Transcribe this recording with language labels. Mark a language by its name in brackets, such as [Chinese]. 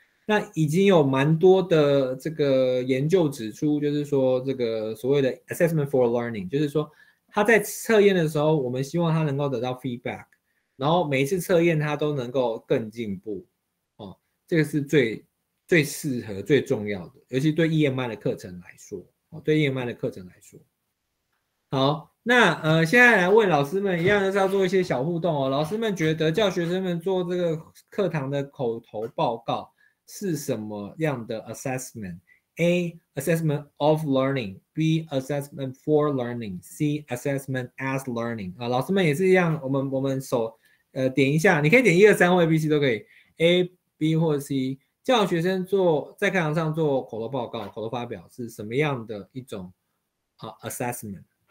[Chinese] 那已经有蛮多的这个研究指出，就是说这个所谓的 [English] assessment for learning， [Chinese] 就是说他在测验的时候我们希望他能够得到 feedback， 然后每一次测验他都能够更进步，哦，这个是最适合最重要的，尤其对 EMI 的课程来说，哦，对 EMI 的课程来说。好，那现在来问老师们一样，就是要做一些小互动哦。老师们觉得叫学生们做这个课堂的口头报告是什么样的 assessment？ [English] A. assessment of learning， B. assessment for learning， C. assessment as learning。 [Chinese] 老师们也是一样，我们手点一下，你可以点一二三或 A B C 都可以， A B 或 C。叫学生做在课堂上做口头报告、口头发表是什么样的一种assessment？